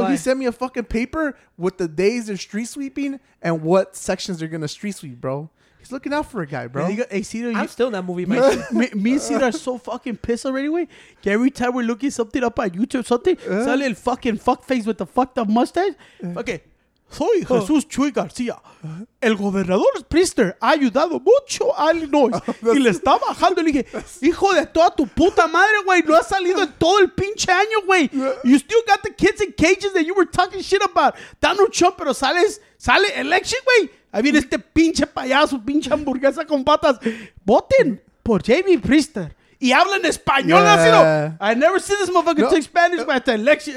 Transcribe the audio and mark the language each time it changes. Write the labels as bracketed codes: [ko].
[en] Why? He sent me a fucking paper with the days they're street sweeping and what sections they're going to street sweep, bro. He's looking out for a guy, bro. Hey, Cito, I'm still in that movie, man. me and Cito are so fucking pissed already, wait. Right? Every time we're looking something up on YouTube, something, some little fucking fuck face with the fucked up mustache. [es] Okay. Soy Jesús Chuy García. El gobernador Priester ha ayudado mucho a Illinois. Y le está bajando. Le dije, hijo de toda tu puta madre, güey. No ha salido en todo el pinche año, güey. [en] You still got the kids in cages that you were talking shit about. [es] Donald Trump, pero sale election, güey. Ahí viene este pinche payaso, pinche hamburguesa con patas. Voten por Jamie Priester. Y hablan español, sino. [en] I never see this motherfucker speak Spanish by the election.